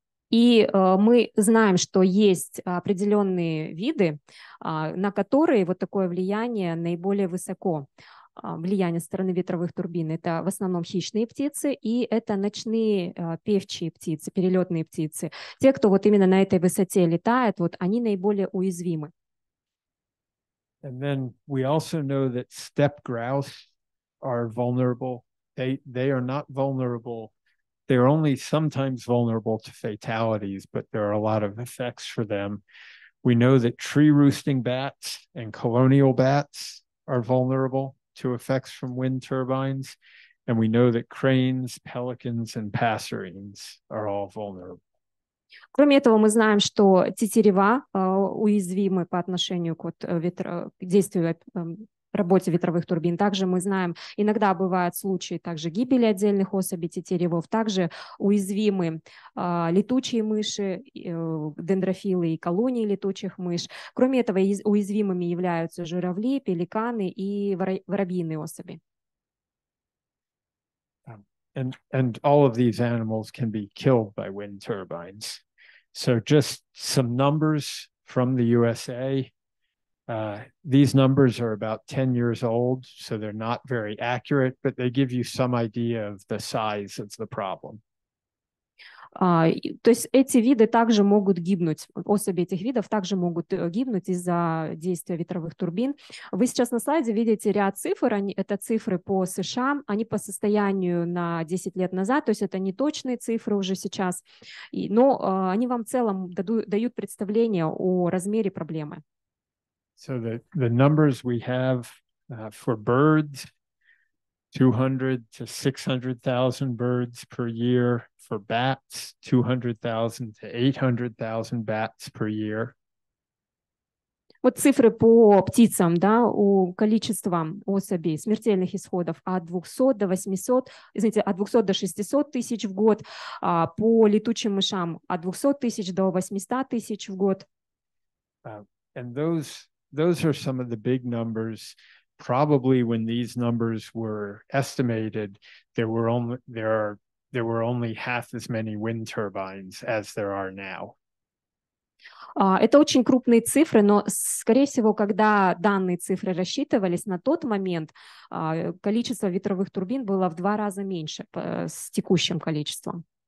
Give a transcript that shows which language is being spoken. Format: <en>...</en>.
<ru>И мы знаем, что есть определенные виды, на которые вот такое влияние наиболее высоко, влияние со стороны ветровых турбин. Это в основном хищные птицы, и это ночные певчие птицы, перелетные птицы. Те, кто вот именно на этой высоте летает, вот они наиболее уязвимы.</ru> <en>And then we also know that steppe grouse are vulnerable. They are not vulnerable. They're only sometimes vulnerable to fatalities, but there are a lot of effects for them. We know that tree roosting bats and colonial bats are vulnerable to effects from wind turbines. And we know that cranes, pelicans, and passerines are all vulnerable.</en> <ru>Кроме этого, мы знаем, что тетерева уязвимы по отношению к, вот, к действию, работе ветровых турбин. Также мы знаем, иногда бывают случаи также гибели отдельных особей тетеревов. Также уязвимы летучие мыши, дендрофилы и колонии летучих мышей. Кроме этого, уязвимыми являются журавли, пеликаны и воробьиные особи.</ru> <en>And all of these animals can be killed by wind turbines. So just some numbers from the USA. These numbers are about 10 years old, so they're not very accurate, but they give you some idea of the size of the problem.</en> <ru>То есть эти виды также могут гибнуть, особи этих видов также могут гибнуть из-за действия ветровых турбин. Вы сейчас на слайде видите ряд цифр, они, это цифры по США, они по состоянию на 10 лет назад, то есть это не точные цифры уже сейчас, и, но они вам в целом дают представление о размере проблемы.</ru> <en>So the numbers we have for birds, 200 to 600,000 birds per year. For bats, 200,000 to 800,000 bats per year.</en> <ru>Вот цифры по птицам, да, у количества особей, смертельных исходов от 200 до 800, извините, от 200 до 600 тысяч в год, по летучим мышам от 200 тысяч до 800 тысяч в год.</ru> <en>And those are some of the big numbers. Probably when these numbers were estimated, there were only half as many wind turbines as there are now.</en> <ru>Это очень крупные цифры, но, скорее всего, когда данные цифры рассчитывались на тот момент, количество ветровых турбин было в два раза меньше с текущим количеством.</ru>